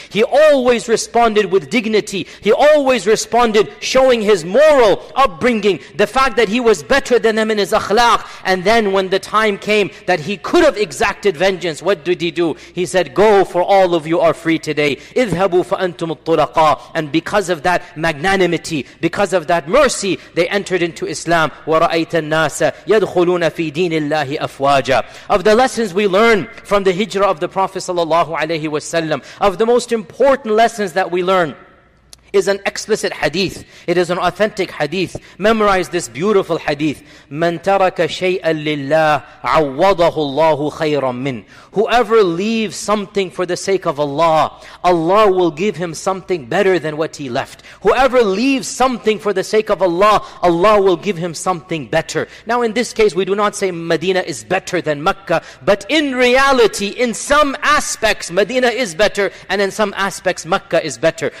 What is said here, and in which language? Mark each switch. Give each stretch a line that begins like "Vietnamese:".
English: He always responded with dignity. He always responded showing his moral upbringing, the fact that he was better than them in his akhlaq. And then when the time came that he could have exacted vengeance, what did he do? He said, go, for all of you are free today.
Arabic: اذهبوا فأنتم الطلقاء.
English: And because of that magnanimity, because of that mercy, they entered into Islam.
Arabic: ورأيت الناس يدخلون في دين الله أفواجا.
English: Of the lessons we learn from the hijrah of the Prophet sallallahu alaihi wasallam, of the most important lessons that we learn is an explicit hadith. It is an authentic hadith. Memorize this beautiful hadith.
Arabic: من ترك شيئا لله عوضه الله خيرا من.
English: Whoever leaves something for the sake of Allah, Allah will give him something better than what he left. Whoever leaves something for the sake of Allah, Allah will give him something better. Now in this case, we do not say Medina is better than Mecca, but in reality, in some aspects, Medina is better, and in some aspects, Mecca is better.